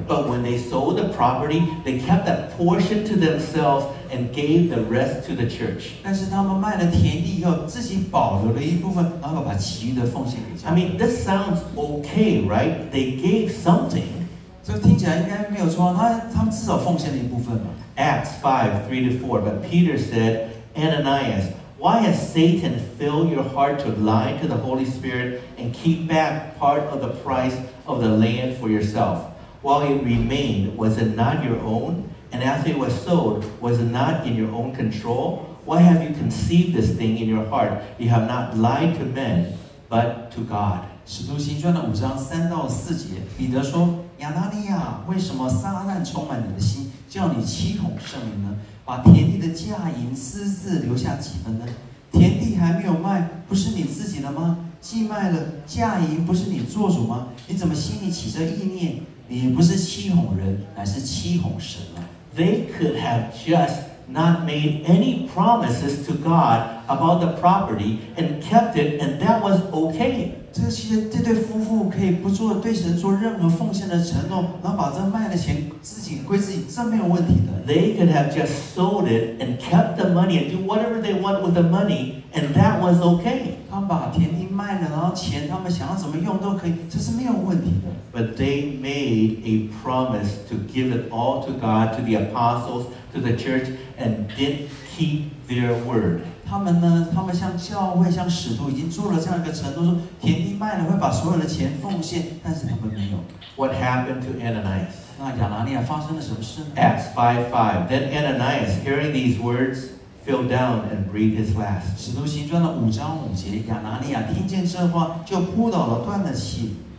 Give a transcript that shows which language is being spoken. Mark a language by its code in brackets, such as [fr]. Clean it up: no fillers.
[en] But when they sold the property, they kept a portion to themselves and gave the rest to the church. [zh] 但是他们卖了田地以后，自己保留了一部分，然后把其余的奉献给教会。 [en] I mean, this sounds okay, right? They gave something. [zh] 这听起来应该没有错，他们至少奉献了一部分嘛。 [en] Acts 5:3-4, but Peter said, Ananias, why has Satan filled your heart to lie to the Holy Spirit and keep back part of the price of the land for yourself? While it remained, was it not your own? And as it was sold, was it not in your own control? Why have you conceived this thing in your heart? You have not lied to men, but to God. [zh] 使徒行传的5:3-4, 亚拿利亚，为什么撒旦充满你的心，叫你欺哄圣灵呢？把田地的价银私自留下几分呢？田地还没有卖，不是你自己的吗？既卖了，价银不是你做主吗？你怎么心里起这意念？你不是欺哄人，乃是欺哄神啊！ [en] They could have just not made any promises to God about the property and kept it, and that was okay. [zh] 这对夫妇可以不做对神做任何奉献的承诺，然后把这卖的钱自己归自己，这没有问题的。 [en] They could have just sold it and kept the money and do whatever they want with the money, and that was okay. [zh] 他们把田地卖了，然后钱他们想要怎么用都可以，这是没有问题的。 [en] But they made a promise to give it all to God, to the apostles, to the church, and didn't keep their word. [zh] 他们呢，他们像教会、像使徒已经做了这样一个承诺，说田地卖了会把所有的钱奉献，但是他们没有。 [en] What happened to Ananias? [zh] 那亚拿尼亚发生了什么事呢？ [en] Acts 5:5. Then Ananias, hearing these words, fell down and breathed his last. [zh] 使徒行传的5:5，亚拿尼亚听见这话就扑倒了，断了气。